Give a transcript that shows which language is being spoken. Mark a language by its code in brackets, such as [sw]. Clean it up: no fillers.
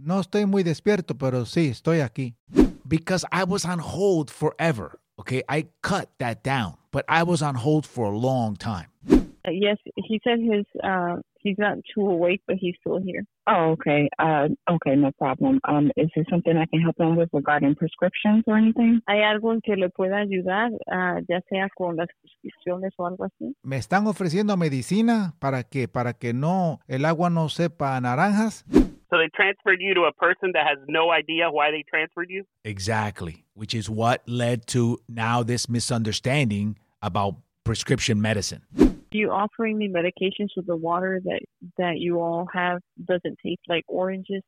[es] No estoy muy despierto, pero sí, estoy aquí. [en] Because I was on hold forever. Okay, I cut that down. but I was on hold for a long time. Yes, he said his he's not too awake, but he's still here. Oh, okay. Okay, no problem. Is there something I can help him with regarding prescriptions or anything? [es] ¿Hay algo en que le pueda ayudar, ya sea con las prescripciones o algo así? ¿Me están ofreciendo medicina para qué? ¿Para que no el agua no sepa naranjas? [en] So they transferred you to a person that has no idea why they transferred you? Exactly, which is what led to now this misunderstanding about prescription medicine. You offering me medications with the water that you all have doesn't taste like oranges?